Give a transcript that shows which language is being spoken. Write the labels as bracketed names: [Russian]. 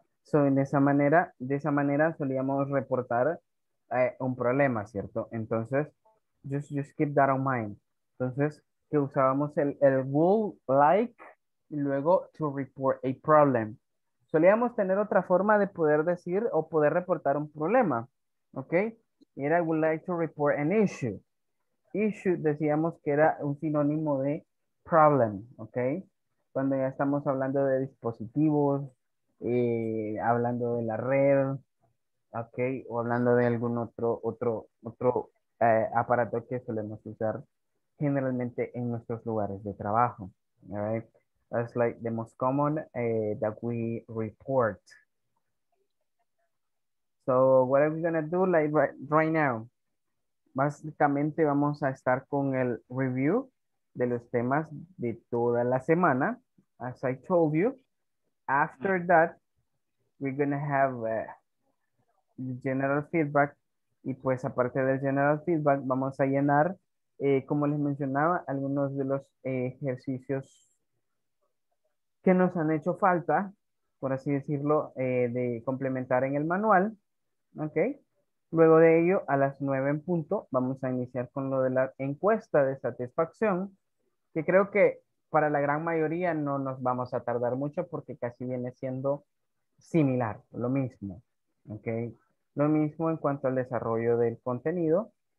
[Spanish] So, de esa manera solíamos reportar un problema, ¿cierto? Entonces, [English] just keep that on mind. [Spanish] Entonces, que usábamos el would like y luego [English] to report a problem. [Spanish] Solíamos tener otra forma de poder decir o poder reportar un problema, ¿ok? [English] Era I would like to report an issue. [Spanish] Issue decíamos que era un sinónimo de problem, ¿ok? Cuando ya estamos hablando de dispositivos, hablando de la red, ¿ok? O hablando de algún otro aparato que solemos usar generalmente en nuestros lugares de trabajo. [English] All right. That's like the most common that we report. So what are we going to do like right now? [Spanish] Básicamente vamos a estar con el review de los temas de toda la semana. [English] As I told you, after that, we're going to have general feedback. [Spanish] Y pues aparte del general feedback, vamos a llenar como les mencionaba, algunos de los ejercicios que nos han hecho falta, por así decirlo, de complementar en el manual, ¿ok? Luego de ello, a las 9 en punto, vamos a iniciar con lo de la encuesta de satisfacción, que creo que para la gran mayoría no nos vamos a tardar mucho porque casi viene siendo similar, lo mismo, ¿ok? Lo mismo en cuanto al desarrollo del contenido.